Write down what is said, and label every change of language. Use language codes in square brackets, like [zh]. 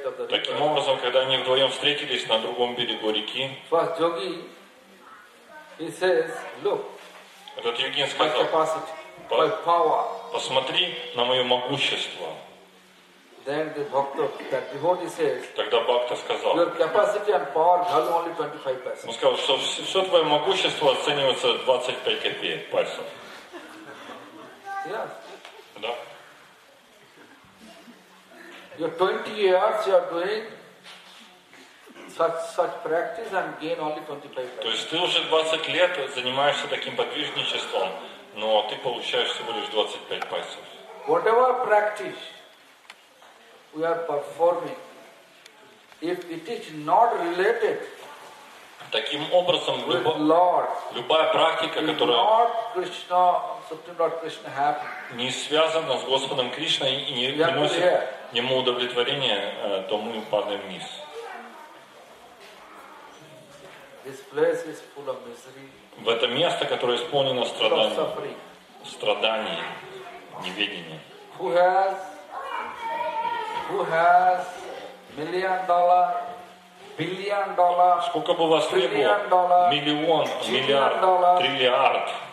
[ru] Таким образом, когда они вдвоем встретились на другом берегу реки, [en] he says, look, [ru] этот йогин сказал, [en] capacity, my power. [ru] Посмотри на мое могущество. [en] Then the doctor, that devotee says, [ru] тогда бхакта сказал, [en] your capacity and power value only 25 pesos. [ru] Он сказал, что все твое могущество оценивается 25 копеек пальцев. [en] Yes. [ru] Да. [en] Your 20 years you are doing such practice and gain only 25%. [ru] То есть ты уже 20 лет занимаешься таким подвижничеством, но ты получаешь всего лишь 25 пайсов. [en] Whatever practice we are performing, if it is not related, [ru] таким образом, любая практика, которая [en] Lord Krishna, Supreme Lord Krishna happy, [ru] не связана с Господом Кришной и не приносит ему удовлетворение, то мы падаем вниз. [en] This place is full of misery. [ru] В это место, которое исполнено страданий, неведения. [en] Who has $1 million, $1 billion? [ru] Сколько бы у вас не было, миллион, миллиард, триллиард.